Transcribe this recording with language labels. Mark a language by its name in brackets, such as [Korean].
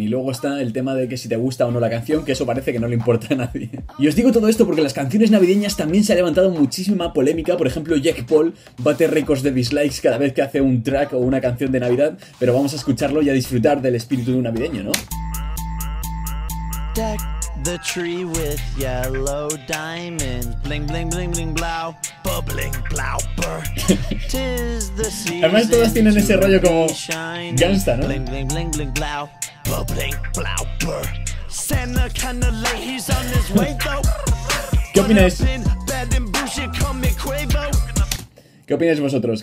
[Spanish] Y luego está el tema de que si te gusta o no la canción, que eso parece que no le importa a nadie. Y os digo todo esto porque las canciones navideñas también se ha levantado muchísima polémica. Por ejemplo, Jack Paul bate récords de dislikes cada vez que hace un track o una canción de Navidad, pero vamos a escucharlo y a disfrutar del espíritu de un navideño, ¿no? [English] Deck the tree with yellow diamonds. Bling, bling, bling, bling, blau. Bubbling, blau, burr. Tis the season. [Spanish] Además todas tienen ese rollo como gangsta, ¿no? [English] Bling, bling, bling, bling, blau. Bubbling, blau, burr. Santa kinda late, he's on his way though. [Spanish] ¿Qué opináis? [English] Bad and bullshit, call me Quavo. [Spanish] ¿Qué opináis vosotros?